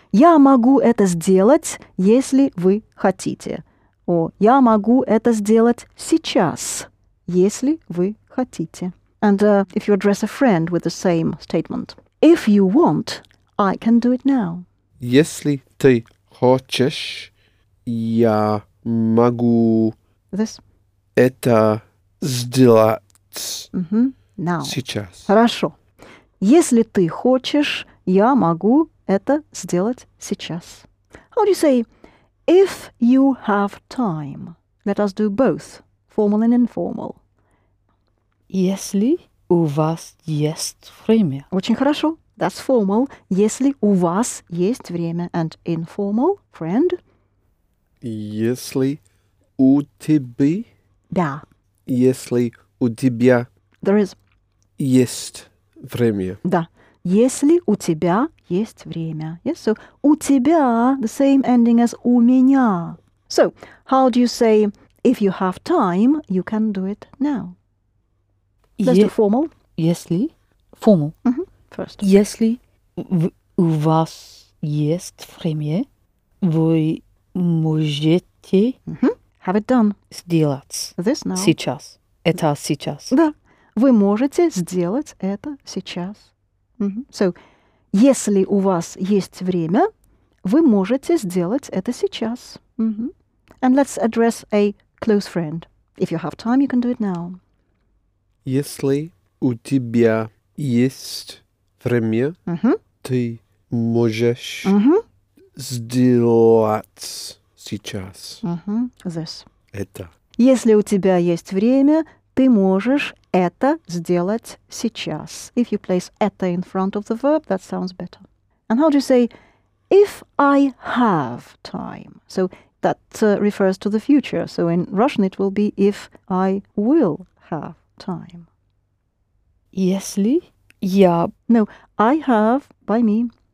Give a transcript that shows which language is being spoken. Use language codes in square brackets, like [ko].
[ru] Я могу это сделать, если вы хотите. [en] Or [ru] я могу это сделать сейчас, если вы хотите. [en] And if you address a friend with the same statement. If you want, I can do it now. [ru] Если ты хочешь, я могу [en] this. [ru] Это сделать [en] mm-hmm. now. [ru] Сейчас. Хорошо. Если ты хочешь, я могу это сделать сейчас. [en] How do you say, if you have time? Let us do both, formal and informal. [ru] Если у вас есть время. Очень хорошо. [en] That's formal. [ru] Если у вас есть время. [en] And informal, friend? [ru] Если у тебя. Да. Если у тебя. [en] There is. [ru] Есть время. Да. Если у тебя есть время. [en] Yes, so [ru] у тебя, [en] the same ending as [ru] у меня. [en] So, how do you say, if you have time, you can do it now? Let's do formal. [ru] Если. Формал. [en] Mm-hmm. First. [ru] Если у вас есть время, вы можете [en] mm-hmm. have it done. [ru] Сделать. [en] This now. [ru] Сейчас. Это сейчас. Да. Вы можете сделать это сейчас. Mm-hmm. [en] So, [ru] если у вас есть время, вы можете сделать это сейчас. [en] Mm-hmm. And let's address a close friend. If you have time, you can do it now. [ru] Если у тебя есть время, [en] mm-hmm. [ru] ты можешь [en] mm-hmm. [ru] сделать сейчас. [en] Mm-hmm. This. [ru] Это. Если у тебя есть время, ты можешь это сделать сейчас. [en] If you place это in front of the verb, that sounds better. And how do you say, if I have time? So that refers to the future. So in Russian it will be, if I will have time. [ru] Если я... [en] No, I have, by me.